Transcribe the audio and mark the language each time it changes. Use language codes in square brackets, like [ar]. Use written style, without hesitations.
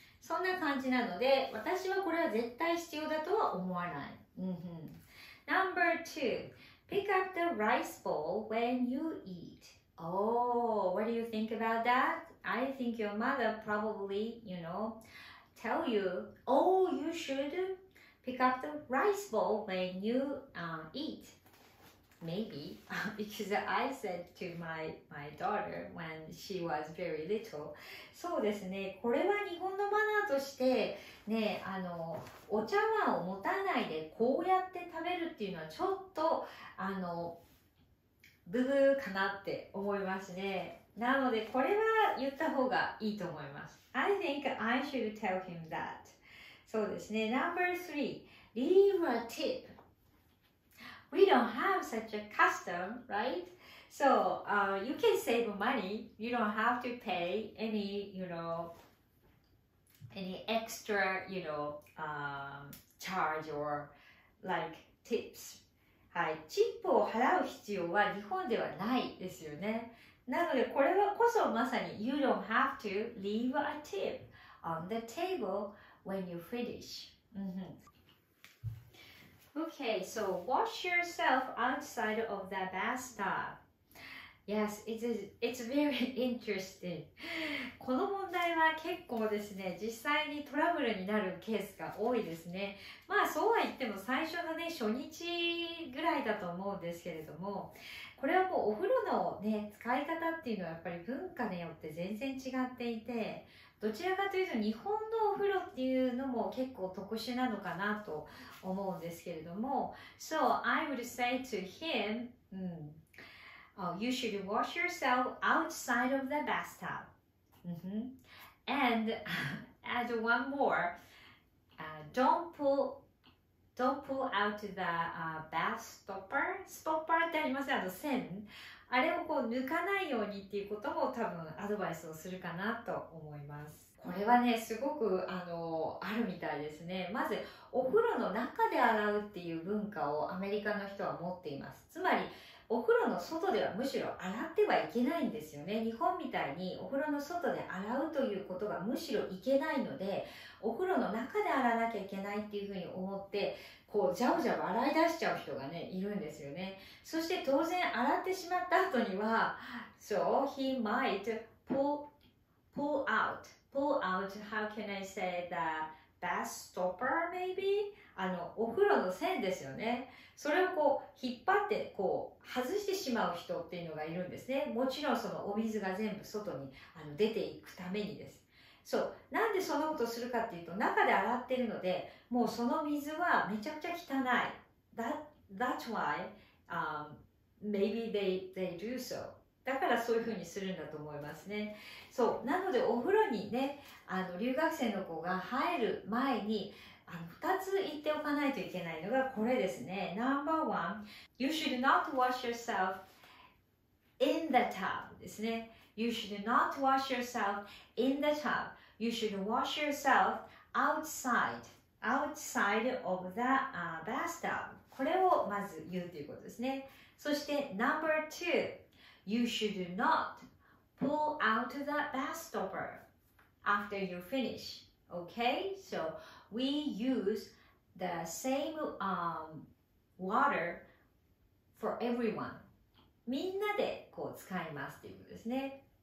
[ja] そんな感じなので、私はこれは絶対必要だとは思わない。 Mm-hmm. [en] Number two, pick up the rice bowl when you eat. Oh, what do you think about that? I think your mother probably, you know, tell you, oh, you should pick up the rice bowl when you eat. Maybe, because I said to my daughter when she was very little. [ja] そうですね。これは日本のマナーとして、ね、お茶碗を持たないでこうやって食べるっていうのはちょっと、ブブーかなって思いますね。なので、これは言った方がいいと思います。 [en] I think I should tell him that. [ja] そうですね。 [en] Number three, leave a tip. We don't have such a custom, right? So, you can save money. You don't have to pay any, you know, any extra, you know, charge or like tips. [ja] はい、チップを払う必要は日本ではないですよね。なので、これはこそまさに [en] You don't have to leave a tip on the table when you finish. Mm-hmm. Okay, so wash yourself outside of the bathtub. Yes, it's very interesting. [ja] この問題は結構ですね、実際にトラブルになるケースが多いですね。まあそうは言っても最初のね、初日ぐらいだと思うんですけれども、これはもうお風呂のね、使い方っていうのはやっぱり文化によって全然違っていて、どちらかというと日本のお風呂っていうのも結構特殊なのかなと思うんですけれども [en] So I would say to him、You should wash yourself outside of the bathtub、And add one more、Don't pull out the、bath stopper [ja] Stopper ってありますね、あの線あれをこう抜かないようにっていうことも多分アドバイスをするかなと思います。これはね、すごくあるみたいですね。まず、お風呂の中で洗うっていう文化をアメリカの人は持っています。つまり、お風呂の外ではむしろ洗ってはいけないんですよね。日本みたいにお風呂の外で洗うということがむしろいけないので、お風呂の中で洗わなきゃいけないっていうふうに思って、こう、じゃうじゃ洗い出しちゃう人がね、いるんですよね。そして当然洗ってしまった後には、 [en] So he might pull out, how can I say the bath stopper maybe? [ja] お風呂の線ですよね。それをこう、引っ張って、こう、外してしまう人っていうのがいるんですね。もちろんそのお水が全部外に出ていくためにです。そう。なんでそんなことするかっていうと、中で洗ってるので、もうその水はめちゃくちゃ汚い。 [en] That's why, maybe they do so. [ja] だからそういうふうにするんだと思いますね。そう。なのでお風呂にね、留学生の子が入る前に、2つ言っておかないといけないのがこれですね。 [en] Number one, you should not wash yourself in the tub [ja] ですね。 [en] You should not wash yourself in the tub. You should wash yourself outside of the bathtub. [ja] これをまず言うということですね。そして [en] Number two, you should not pull out the bath stopper after you finish. Okay? So, we use the same water for everyone. [ja] みんなでこう使いますということですね。